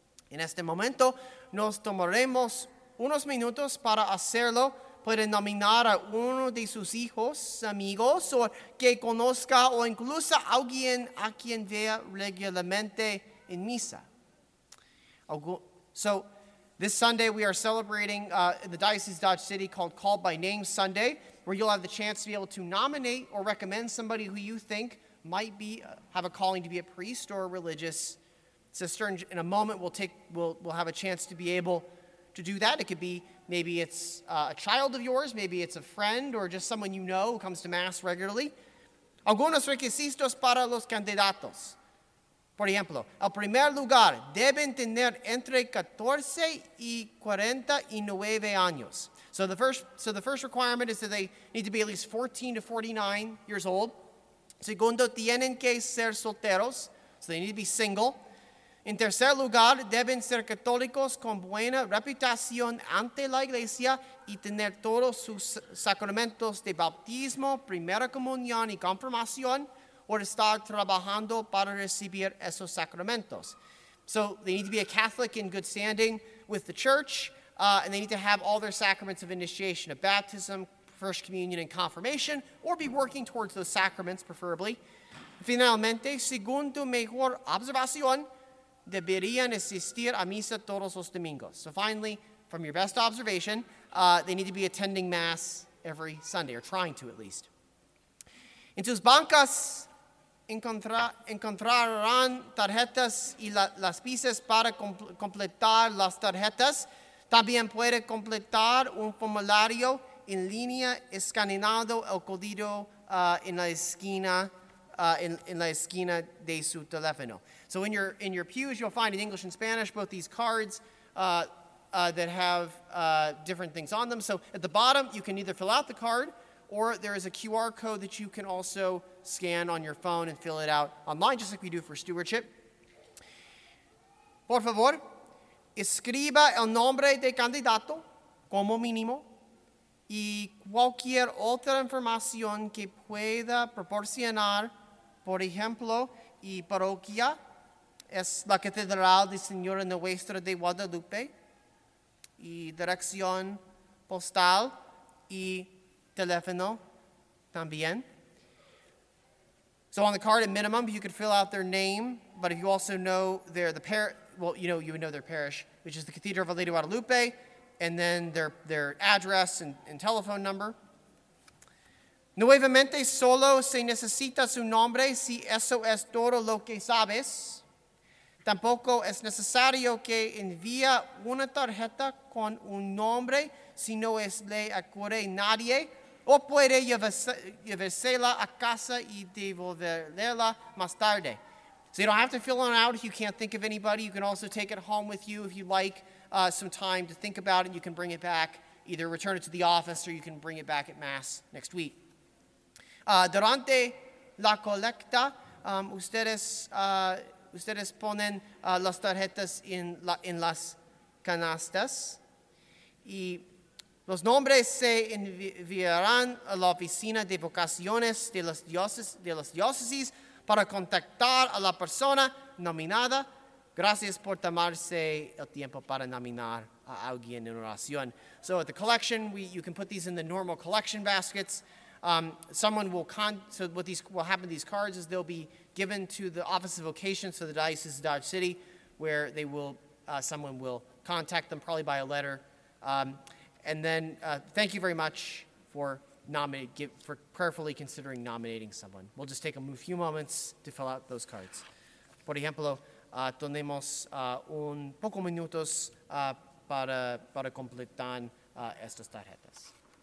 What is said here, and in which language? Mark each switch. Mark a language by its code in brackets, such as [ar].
[es] En este momento nos tomaremos unos minutos para hacerlo. Puede nominar a uno de sus hijos, amigos, o que conozca, o incluso alguien a quien vea regularmente en misa. [en] So, this Sunday we are celebrating the Diocese of Dodge City called Called by Name Sunday, where you'll have the chance to be able to nominate or recommend somebody who you think might be have a calling to be a priest or a religious sister. In a moment, we'll have a chance to be able to do that. It could be maybe it's a child of yours, maybe it's a friend, or just someone you know who comes to Mass regularly. [es] Algunos requisitos para los candidatos. Por ejemplo, el primer lugar deben tener entre 14 y 49 años. [en] So the first requirement is that they need to be at least 14 to 49 years old. [es] Segundo, tienen que ser solteros. [en] So they need to be single. [es] En tercer lugar, deben ser católicos con buena reputación ante la iglesia y tener todos sus sacramentos de bautismo, primera comunión y confirmación, o estar trabajando para recibir esos sacramentos. [en] So they need to be a Catholic in good standing with the church, and they need to have all their sacraments of initiation, of baptism, first communion, and confirmation, or be working towards those sacraments, preferably. [es] Finalmente, según tu mejor observación, deberían asistir a misa todos los domingos. [en] So finally, from your best observation, they need to be attending Mass every Sunday, or trying to at least. [es] En tus bancas encontrarán tarjetas y las pistas para completar las tarjetas. También puede completar un formulario en línea escaneando el código en la esquina de su teléfono. [en] So in your pews, you'll find in English and Spanish both these cards that have different things on them. So at the bottom, you can either fill out the card, or there is a QR code that you can also scan on your phone and fill it out online, just like we do for stewardship. [es] Por favor, escriba el nombre de candidato como mínimo y cualquier otra información que pueda proporcionar, por ejemplo, y parroquia es la Catedral de Señora Nuestra de Guadalupe, y dirección postal y teléfono también. [en] So on the card, at minimum, you could fill out their name, but if you also know their parish, which is the Cathedral of Our Lady of Guadalupe, and then their address and telephone number. [es] Nuevamente, solo se necesita su nombre si eso es todo lo que sabes. Tampoco es necesario que envíe una tarjeta con un nombre si no es le acude nadie. O puede llevársela a casa y devolverla más tarde. [en] So you don't have to fill one out if you can't think of anybody. You can also take it home with you if you like some time to think about it. You can bring it back, either return it to the office or you can bring it back at Mass next week. [es] Durante la colecta, ustedes ponen las tarjetas en las canastas y los nombres se enviarán a la oficina de vocaciones de las diócesis para contactar a la persona nominada. Gracias por tomarse el tiempo para nominar a alguien en oración. [en] So at the collection, you can put these in the normal collection baskets. These cards is they'll be given to the Office of Vocations for the Diocese of Dodge City, where they will someone will contact them probably by a letter. And then thank you very much for prayerfully considering nominating someone. We'll just take a few moments to fill out those cards. [es] Por ejemplo, tenemos un poco minutos para completar estas tarjetas.